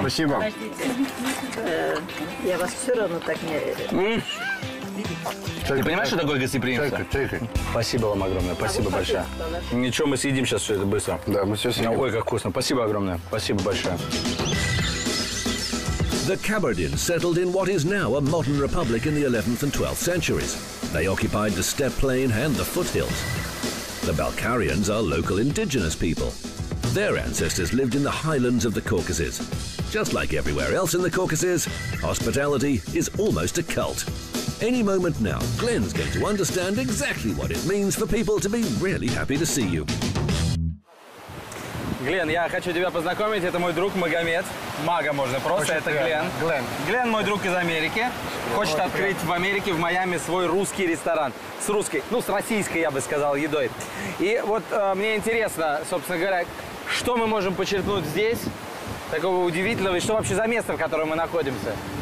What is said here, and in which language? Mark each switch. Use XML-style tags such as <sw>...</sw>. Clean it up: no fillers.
<ru>Спасибо. Я вас все равно так не верю. Ты понимаешь, что такое гостеприимство? Спасибо вам огромное, спасибо большое. Ничего, мы съедим сейчас все это быстро. Да, мы все съедим. Ой, как вкусно. Спасибо огромное, спасибо большое.</ru> <en>The Kabardins settled in what is now a modern republic in the 11th and 12th centuries. They occupied the steppe plain and the foothills. The Balkarians are local indigenous people. Their ancestors lived in the highlands of the Caucasus. Just like everywhere else in the Caucasus, hospitality is almost a cult. Any moment now, Glenn's going to understand exactly what it means for people to be really happy to see you.</en> <ru>Глен, я хочу тебя познакомить. Это мой друг Магомед. Мага можно просто. Очень это Глен. Глен мой друг из Америки. Хочет открыть в Америке, в Майами, свой русский ресторан. С русской, ну, с российской, я бы сказал, едой. И вот мне интересно, собственно говоря, что мы можем почерпнуть здесь такого удивительного, и что вообще за место, в котором мы находимся?</ru>